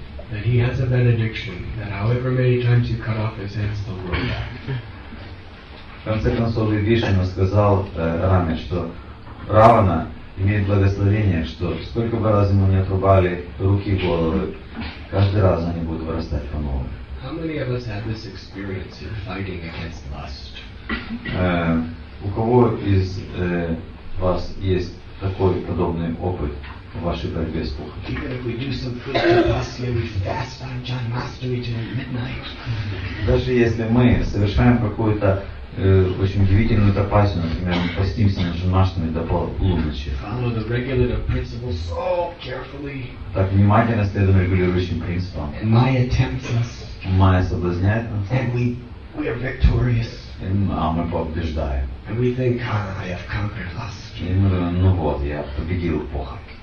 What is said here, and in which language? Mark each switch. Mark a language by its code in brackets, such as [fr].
[en] That he has a benediction that however many times you cut off his head, still grow back. [ru] В конце концов, Вишну сказал Раме, что Равана имеет благословение, что сколько бы раз ему не отрубали руки и головы, каждый раз они будут вырастать по-новому. [en] How many of us have this experience in fighting against lust? [ru] У кого из вас есть такой подобный опыт? [en] Even if we do some food tapasya, we fast on Janmashtami till midnight. [ru] Даже если мы совершаем какую-то очень удивительную тапасию, например, мы постимся на Джанмаштами до полуночи. [en] Follow the regulative principles so carefully. [ru] Так внимательно следуем регулирующим принципам. [en] And Maya tempts us. [ru] Майя соблазняет нас. [en] And we are victorious. [ru] А мы побеждаем. [en] And we think, ah, I have conquered lust. [ru] И мы думаем, ну вот, я победил похоть.